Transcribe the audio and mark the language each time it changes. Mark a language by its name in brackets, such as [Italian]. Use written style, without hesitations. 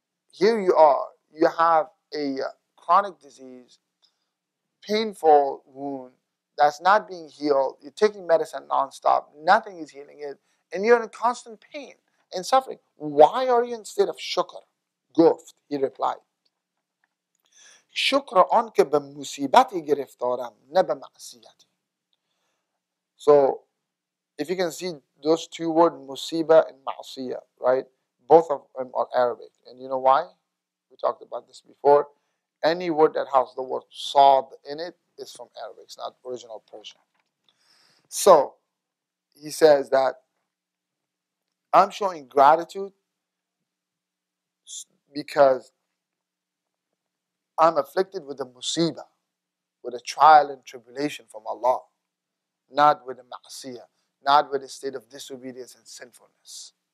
[English] Here you are, you have a chronic disease, painful wound, that's not being healed, you're taking medicine nonstop, nothing is healing it, and you're in constant pain and suffering. Why are you in state of shukr? Guft, he replied. [Persian] شکر آن که به مصیبتی گرفتارم نه به معصیتی. [English] So if you can see those two words, musiba and ma'siya, right? Both of them are Arabic. And you know why? We talked about this before. Any word that has the word sad in it is from Arabic. It's not original Persian. So he says that I'm showing gratitude because I'm afflicted with a musibah, with a trial and tribulation from Allah, not with a ma'asiyah, not with a state of disobedience and sinfulness.